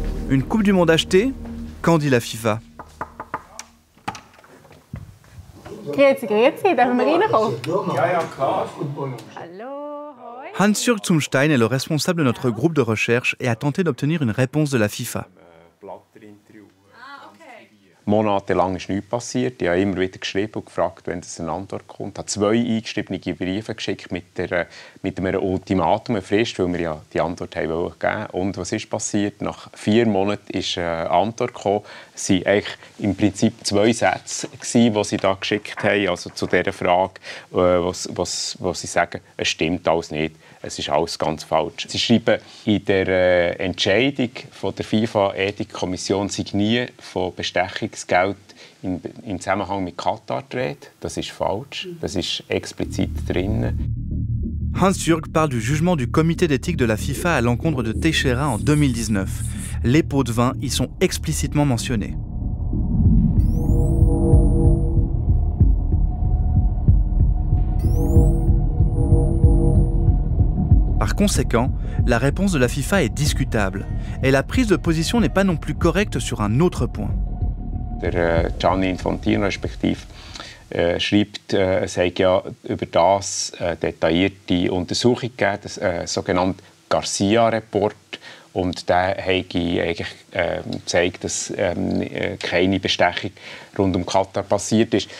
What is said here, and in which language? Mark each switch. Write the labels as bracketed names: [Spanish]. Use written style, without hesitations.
[French] Une Coupe du Monde achetée? Qu'en dit la FIFA? Ok, [German] Grüezi, grüezi, darf ich mal reinkommen? Ja, ja, klar. Hallo. [French] Hans-Jürg Zumstein est le responsable de notre groupe de recherche et a tenté d'obtenir une réponse de la FIFA. [German] Monatelang ist nichts passiert. Ich habe immer wieder geschrieben und gefragt, wenn es eine Antwort kommt. Ich habe zwei eingeschriebene Briefe geschickt mit einem Ultimatum, eine Frist, weil wir ja die Antwort haben wollen. Und was ist passiert? Nach vier Monaten ist eine Antwort gekommen. Es waren eigentlich im Prinzip zwei Sätze, die sie da geschickt haben. Also zu dieser Frage, was sie sagen, es stimmt alles nicht. Es ist alles ganz falsch. Sie schreiben, in der Entscheidung von der FIFA-Ethikkommission sei nie von Bestechungsgeld im Zusammenhang mit Katar geredet. Das ist falsch. Das ist explizit drin. [French] Hans-Jürg parle du jugement du Comité d'éthique de la FIFA à l'encontre de Teixeira en 2019. Les pots de vin y sont explicitement mentionnés. Par conséquent, la réponse de la FIFA est discutable. Et la prise de position n'est pas non plus correcte sur un autre point. [German] Gianni Infantino, respectif, schreibt, es hat ja über das detaillierte Untersuchung gegeben, das sogenannte Garcia-Report. Und der hat eigentlich gezeigt, dass keine Bestechung rund um Katar passiert ist.